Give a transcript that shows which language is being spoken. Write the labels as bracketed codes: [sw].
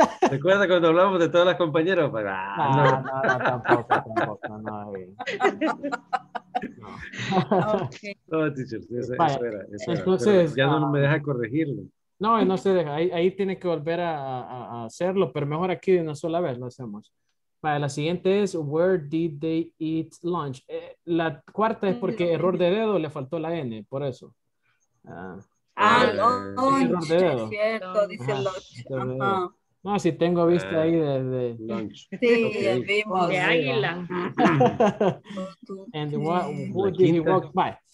[es] ¿Recuerda cuando hablamos de todas las compañeras? Pues, No, tampoco. No, teacher, eso era. Ya no me deja corregirlo. No, no se deja. Ahí tiene que volver a hacerlo, pero mejor aquí de una sola vez lo hacemos. Vale, la siguiente es, [en] where did they eat lunch? [es] La cuarta es porque error de dedo, le faltó la N, por eso. Lunch, error de dedo. Es cierto, dice lunch. No, si tengo vista ahí de [en] lunch. [es] Sí, okay. De águila. [en] And who did he walk by?